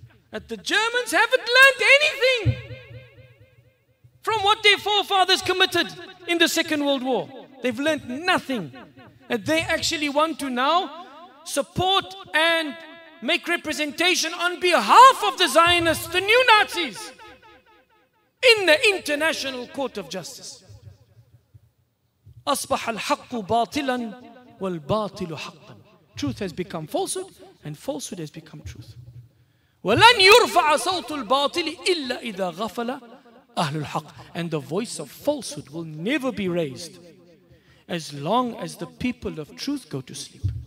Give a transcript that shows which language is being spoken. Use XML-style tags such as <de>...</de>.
<en>That the Germans haven't learned anything from what their forefathers committed in the Second World War. They've learned nothing. And they actually want to now support and make representation on behalf of the Zionists, the new Nazis, in the International Court of Justice.</en> <ar>أصبح الحق باطلا والباطل حقا.</ar> <en>Truth has become falsehood and falsehood has become truth.</en> <ar>وَلَنْ يُرْفَعَ صَوْتُ الْبَاطِلِ إِلَّا إِذَا غَفَلَ أَهْلُ الْحَقِّ.</ar> <en>And the voice of falsehood will never be raised as long as the people of truth go to sleep.</en>